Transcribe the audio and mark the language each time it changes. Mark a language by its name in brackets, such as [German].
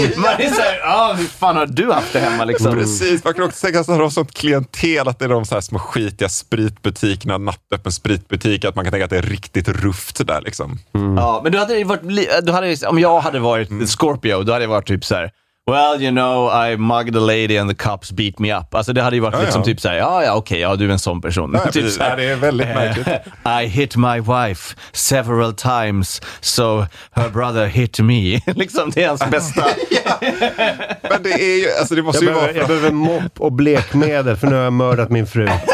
[Swedish] Man är såhär, hur fan har du haft det hemma liksom? Precis, man kan också tänka sig att de har sånt klientel att det är de såhär små skitiga spritbutikerna, nattöppen spritbutik, att man kan tänka att det är riktigt ruft där liksom. Ja, men du hade varit, om jag hade varit Scorpio, då hade jag varit typ såhär, [English] well, you know, I mugged a lady and the cops beat me up. [Swedish] Alltså det hade ju varit liksom typ såhär, okej, du är en sån person. Nej, typ så här, det är väldigt märkligt. [English] I hit my wife several times, so her brother hit me. [Swedish] Liksom det är hans bästa. Men det är ju, alltså det måste jag ju behöver, vara. Jag behöver mopp och blekmedel för nu har jag mördat min fru.